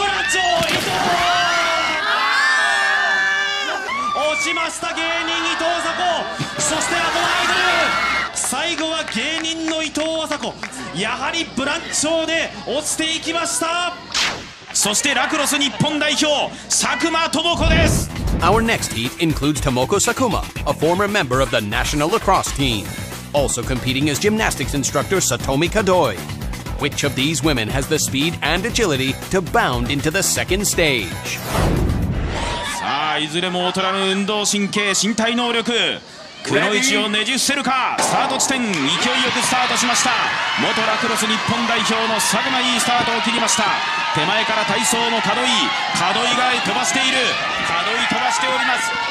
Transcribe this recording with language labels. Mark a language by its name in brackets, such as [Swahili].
[Japanese] ブラジオ伊藤落ちました。芸人伊藤麻子、そしてあとのアイドル、最後は芸人の伊藤麻子、やはりブラッチョーで落ちていきました。そしてラクロス日本代表、佐久間智子です。 [English] Our next heat includes Tomoko Sakuma, a former member of the national lacrosse team. Also competing is gymnastics instructor Satomi Kadoi. Which of these women has the speed and agility to bound into the second stage? [Japanese] さあいずれも劣らぬ運動神経、身体能力、くの位置をねじ伏せるか。スタート地点、勢いよくスタートしました。元ラクロス日本代表の佐久間、いいスタートを切りました。手前から体操の門井、門井が飛ばしている、門井飛ばしております。